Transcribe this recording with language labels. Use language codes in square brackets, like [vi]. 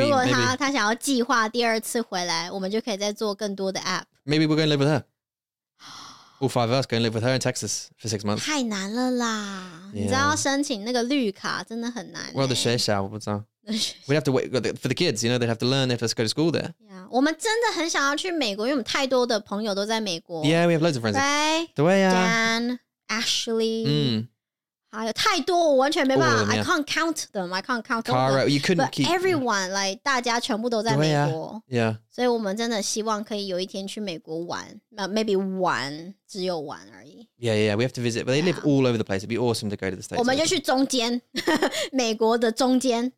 [zh] 如果他想要计划第二次回来，我们就可以再做更多的 app. [en] Maybe we're going to live with her. All five of us going to live with her in Texas for 6 months. [zh] 太难了啦！你知道申请那个绿卡真的很难。 Well, the 学校我不知道。 [en] We'd have to wait for the kids, you know, they'd have to learn if they go to school there. [zh] Yeah, 我们真的很想要去美国，因为我们太多的朋友都在美国。 [en] Yeah, we have loads of friends. Right? Dan, Ashley. [zh] 还有太多，我完全没办法。 [en] I can't count them. I can't count them. Cara, you couldn't keep everyone. Like, [zh] 大家全部都在美国。 [en] Yeah. [zh] 所以我们真的希望可以有一天去美国玩。 Maybe 玩，只有玩而已。 [en] Yeah. We have to visit. But they live all over the place. It'd be awesome to go to the States. [zh] 我们就去中间，美国的中间。